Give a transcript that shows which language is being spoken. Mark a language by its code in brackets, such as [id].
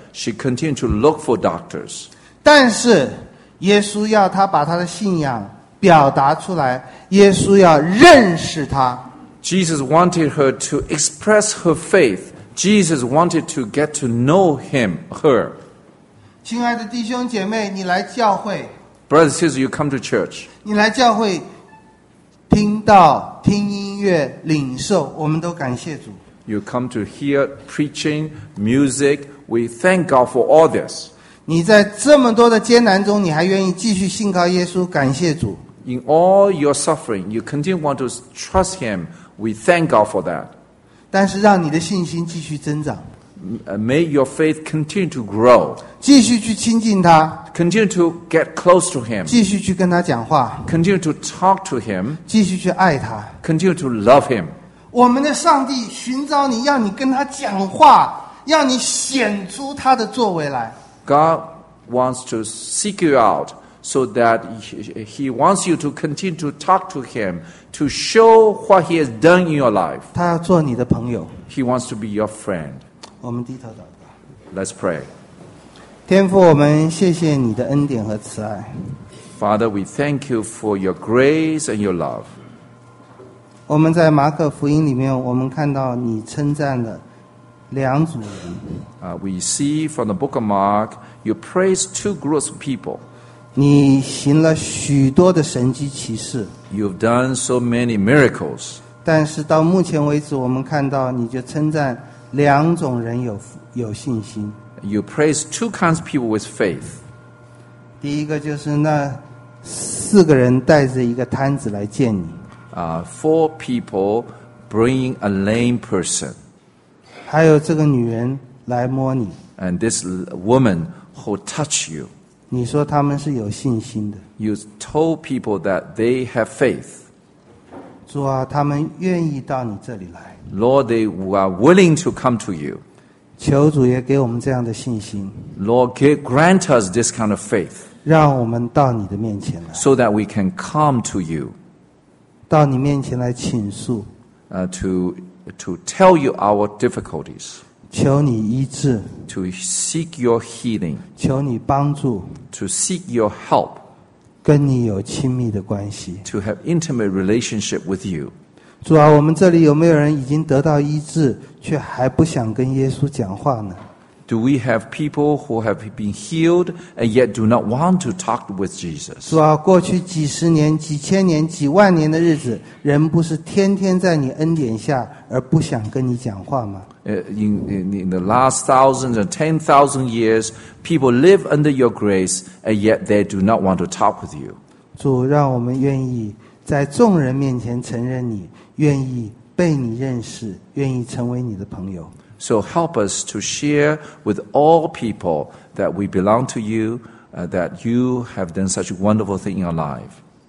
[en] She continued to look for doctors. [zh] 但是耶稣要他把他的信仰表达出来，耶稣要认识他。 [en] Jesus wanted her to express her faith. Jesus wanted to get to know him, her. [zh] 亲爱的弟兄姐妹，你来教会。 [en] Brothers and sisters, you come to church. [zh] 你来教会，听到、听音乐、领受，我们都感谢主。 [en] You come to hear preaching, music. We thank God for all this. [zh] 你在这么多的艰难中，你还愿意继续信靠耶稣，感谢主。 [en] In all your suffering, you continue want to trust him. We thank God for that. [zh] 但是让你的信心继续增长。 [en] May your faith continue to grow. [zh] 继续去亲近他。 [en] Continue to get close to him. [zh] 继续去跟他讲话。 [en] Continue to talk to him. [zh] 继续去爱他。 [en] Continue to love him. [zh] 我们的上帝寻找你，要你跟他讲话，要你显出他的作为来。 [en] God wants to seek you out so that he wants you to continue to talk to him. To show what he has done in your life. [zh] 他要做你的朋友。 [en] He wants to be your friend. [zh] 我们低头祷告。 [en] Let's pray. [zh] 天父，我们谢谢你的恩典和慈爱。 [en] Father, we thank you for your grace and your love. [zh] 我们在马可福音里面，我们看到你称赞了两组人。 [en] We see from the book of Mark, you praise two groups of people. [zh] 你行了许多的神迹奇事。 [en] You've done so many miracles. [zh] 但是到目前为止，我们看到你就称赞两种人有信心。 [en] You praise two kinds of people with faith. [zh] 第一个就是那四个人带着一个摊子来见你。 [en] Four people bringing a lame person. [zh] 还有这个女人来摸你。 [en] And this woman who touched you. [zh] 你说他们是有信心的。 [en] You told people that they have faith. [zh] 主啊，他们愿意到你这里来。 [en] Lord, they are willing to come to you. [zh] 求主也给我们这样的信心。 [en] Lord, grant us this kind of faith. [zh] 让我们到你的面前来。 [en] So that we can come to you. [zh] 到你面前来倾诉。 [en] To tell you our difficulties. [zh] 求你医治。 [en] To seek your healing. [zh] 求你帮助。 [en] To seek your help. [zh] 跟你有亲密的关系。 [en] To have intimate relationship with you. [zh] 主啊，我们这里有没有人已经得到医治，却还不想跟耶稣讲话呢？ [en] Do we have people who have been healed and yet do not want to talk with Jesus? [zh] 主啊，过去几十年、几千年、几万年的日子，人不是天天在你恩典下而不想跟你讲话吗？ [en] In the last thousands and 10,000 years, people live under your grace and yet they do not want to talk with you. [zh] 主，让我们愿意在众人面前承认你，愿意被你认识，愿意成为你的朋友。 [en] So help us to share with all people that we belong to you, that you have done such a wonderful thing in our life.